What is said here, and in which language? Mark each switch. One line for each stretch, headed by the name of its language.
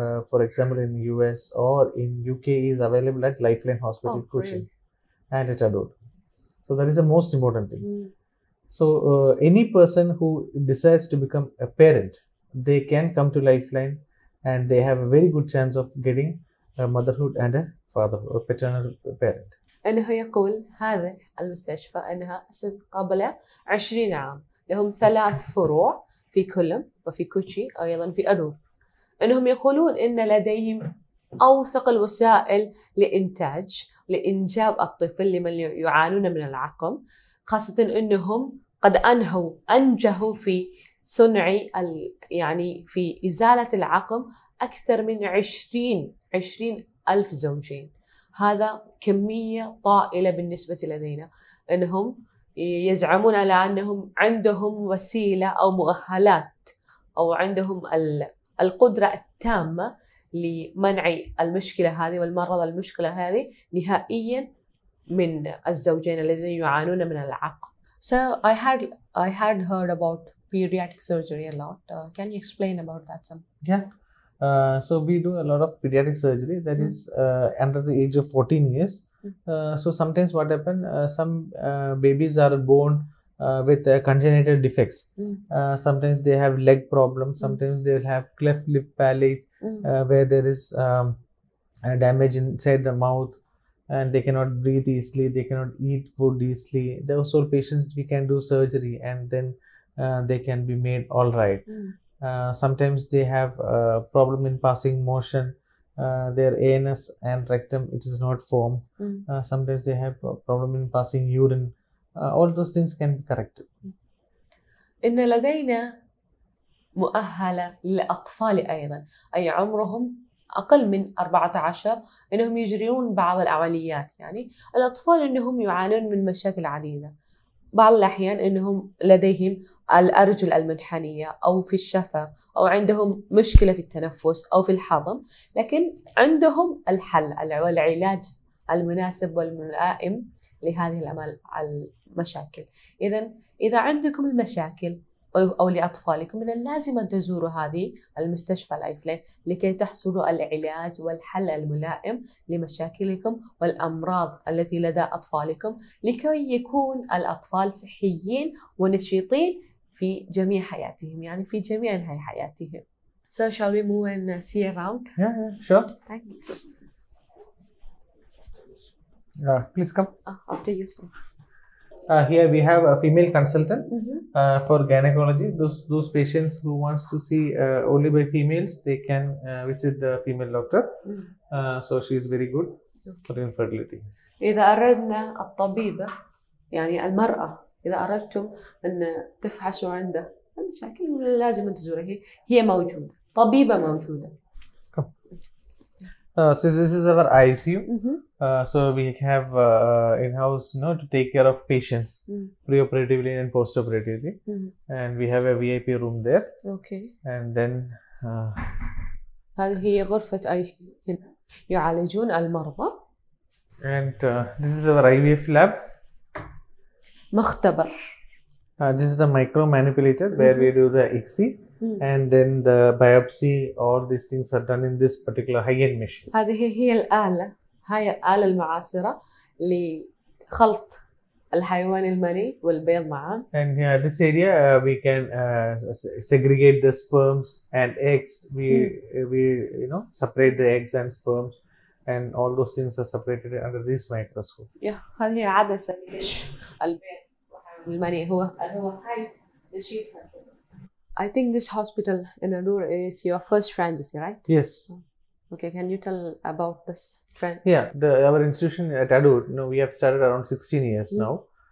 English: For example, in US or in UK is available at Lifeline Hospital, Cochin, and at Adur. So that is the most important thing. So any person who decides to become a parent, they can come to Lifeline and they have a very good chance of getting a motherhood and a father or paternal parent.
Arabic: أنه يقول هذا المستشفى أنها أسس قبل 20 عام لهم ثلاث فروع في كولم وفي كوتشي أيضا في أدور. أنهم يقولون أن لديهم أوثق الوسائل لإنتاج لإنجاب الطفل لمن يعانون من العقم، خاصة أنهم قد أنجحوا في صنع يعني في إزالة العقم أكثر من 20 ألف زوجين. هذا كمية طائلة بالنسبة لدينا، أنهم يزعمون على أنهم عندهم وسيلة أو مؤهلات أو عندهم القدرة التامة لمنع المشكلة هذه والمرض المشكلة هذه نهائيا من الزوجين الذين يعانون من العقم.
English: So I had heard about pediatric surgery a lot. Can you explain about that some? So we do a lot of pediatric surgery that is under the age of 14 years. So sometimes what happen, some babies are born with congenital defects. Sometimes they have leg problems, sometimes they will have cleft lip palate where there is a damage inside the mouth and they cannot breathe easily, they cannot eat food easily. Those all patients we can do surgery and then they can be made all right. Sometimes they have a problem in passing motion, their anus and rectum it is not formed. Sometimes they have a problem in passing urine. All those things can be corrected.
Arabic: إن لدينا مؤهلة للأطفال أيضا أي عمرهم أقل من 14 إنهم يجرون بعض العمليات. يعني الأطفال إنهم يعانون من مشاكل عديدة، بعض الأحيان إنهم لديهم الأرجل المنحنية أو في الشفة أو عندهم مشكلة في التنفس أو في الهضم، لكن عندهم الحل والعلاج المناسب والملائم لهذه المشاكل. إذا عندكم المشاكل أو لأطفالكم من اللازم أن تزوروا هذه المستشفى لايفلاين لكي تحصلوا على العلاج والحل الملائم لمشاكلكم والأمراض التي لدى أطفالكم لكي يكون الأطفال صحيين ونشيطين في جميع حياتهم، يعني في جميع أنحاء حياتهم.
English: So shall we move and see around? Sure. Thank you. Please come. After you, sir. Here we have a female consultant for gynecology. Those patients who wants to see only by females, they can visit the female doctor. So she is very good for infertility.
Arabic: إذا أردنا الطبيبة يعني المرأة إذا أردتم أن تفحصوا عندها المشاكل لازم أن تزورها. هي موجودة. طبيبة موجودة.
English: So this is our ICU. So we have in-house, you know, to take care of patients preoperatively and postoperatively, and we have a VIP room there. Okay. And then.
Arabic: هذه هي غرفة ICU. يعالجون المرضى.
English: And this is our IVF lab.
Arabic: مختبر.
English: This is the micro manipulator where we do the ICSI. And then the biopsy, all these things are done in this particular high-end machine.
Arabic: هذه هي الآلة المعاصرة لخلط الحيوان المني والبيض معاً.
English: And yeah, this area we can segregate the sperms and eggs. We you know separate the eggs and sperms, and all those things are separated under this microscope.
Arabic: Yeah, هذه عدسة البيض والحيوان المني هو هاي الشيء.
English: I think this hospital in Aroor is your first franchise, right? Yes. Okay, can you tell about this trend? Yeah, our institution at Adu, you know, we have started around 16 years now.